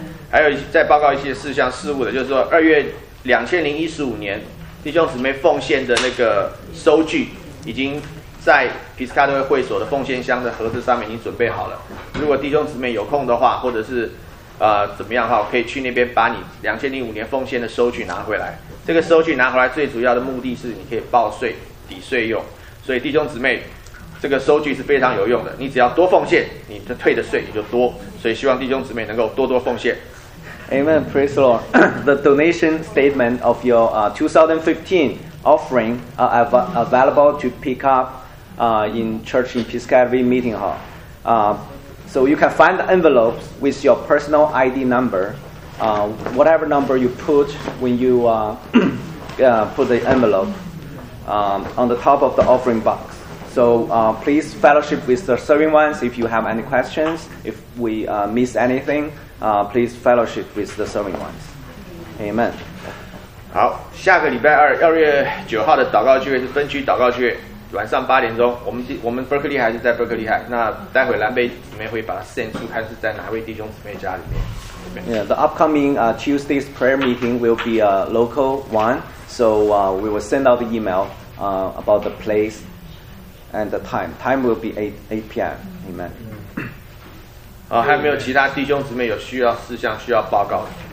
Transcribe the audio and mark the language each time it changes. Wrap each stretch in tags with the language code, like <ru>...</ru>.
<zh>还有再报告一些事项事务的，就是说2015年弟兄姊妹奉献的那个收据已经在皮斯卡特会所的奉献箱的盒子上面已经准备好了。如果弟兄姊妹有空的话，或者是怎么样的话，可以去那边把你2005年奉献的收据拿回来。这个收据拿回来最主要的目的是你可以报税抵税用，所以弟兄姊妹，这个收据是非常有用的。你只要多奉献，你的退的税也就多，所以希望弟兄姊妹能够多多奉献。</zh> <en>Amen. Praise the Lord. The donation statement of your 2015 offering are available to pick up in church in Piscataway meeting hall. So you can find the envelopes with your personal ID number. Whatever number you put when you put the envelope on the top of the offering box. So please fellowship with the serving ones if you have any questions. If we miss anything, please fellowship with the serving ones. Amen.</en> <zh>好，下个礼拜二2月9的祷告聚会是分区祷告聚会，晚上8点，我们 Berkeley 还是在 Berkeley 海，那待会蓝贝姊妹会把它献出，看是在哪位弟兄姊妹家里面。</zh> <en>Yeah, the upcoming Tuesday's prayer meeting will be a local one, so we will send out the email about the place and the time. Time will be 8 p.m. Amen.</en> <zh>好，还没有其他弟兄姊妹有需要事项需要报告的。</zh>